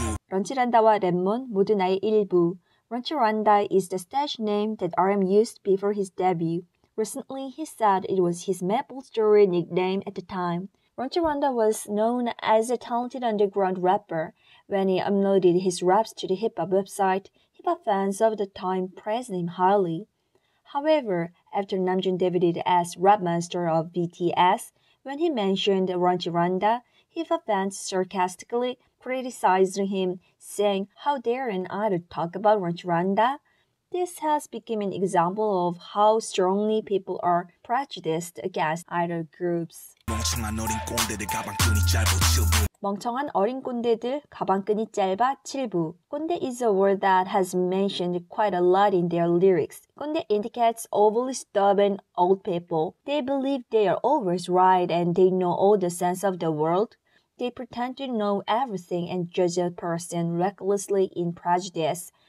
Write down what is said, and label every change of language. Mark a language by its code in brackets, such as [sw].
[ko] 런치란다와 랩몬 모두 나의 일부. [en] 런치란다 is the stage name that RM used before his debut. Recently, he said it was his MapleStory nickname at the time. Ranchiranda was known as a talented underground rapper. When he uploaded his raps to the hip-hop website, hip-hop fans of the time praised him highly. However, after Namjoon debuted as rap master of BTS, when he mentioned Ranchiranda, hip-hop fans sarcastically criticized him, saying, "How dare an idol talk about Ranchiranda?" This has become an example of how strongly people are prejudiced against idol groups. [ko] 멍청한 어린 꼰대들 가방끈이 짧아 7부. 멍청한 어린 꼰대들 가방끈이 짧아 7부. [en] 꼰대 is a word that has mentioned quite a lot in their lyrics. 꼰대 indicates overly stubborn old people. They believe they are always right and they know all the sense of the world. They pretend to know everything and judge a person recklessly in prejudice.